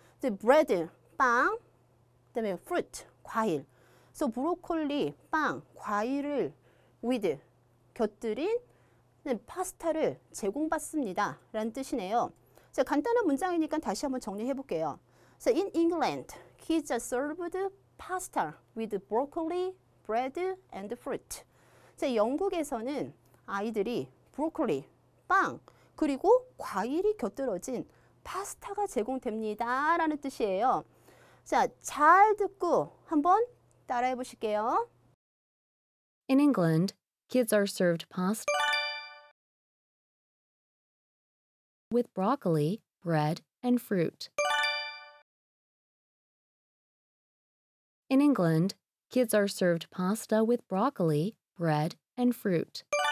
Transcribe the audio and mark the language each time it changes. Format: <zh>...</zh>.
<ko>자, bread, 빵. 그다음에 fruit, 과일. 그래서 broccoli, 빵, 과일을 with, 곁들인 파스타를 제공받습니다. 라는 뜻이네요. 자, 간단한 문장이니까 다시 한번 정리해 볼게요.</ko> <en>So in England, kids are served pasta with broccoli, bread, and fruit.</en> <ko>자, 영국에서는 아이들이 broccoli, 빵, 그리고 과일이 곁들어진 파스타가 제공됩니다. 라는 뜻이에요. 자, 잘 듣고 한번 따라해 보실게요.</ko> <en>In England, kids are served pasta with broccoli, bread, and fruit. In England, kids are served pasta with broccoli, bread, and fruit.</en>